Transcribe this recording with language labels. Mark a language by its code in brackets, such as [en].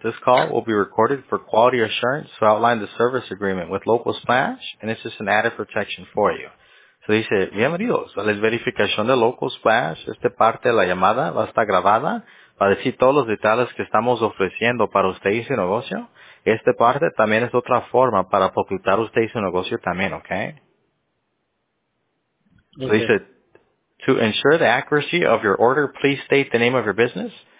[en] This call will be recorded for quality assurance to outline the service agreement with Local Splash, and it's just an added protection for you. So he said, [es] bienvenidos a la verificación de Local Splash. Esta parte de la llamada va a estar grabada para decir todos los detalles que estamos ofreciendo para usted y su negocio. Esta parte también es otra forma para facultar usted y su negocio también, okay? [en] Okay. So he said, to ensure the accuracy of your order, please state the name of your business.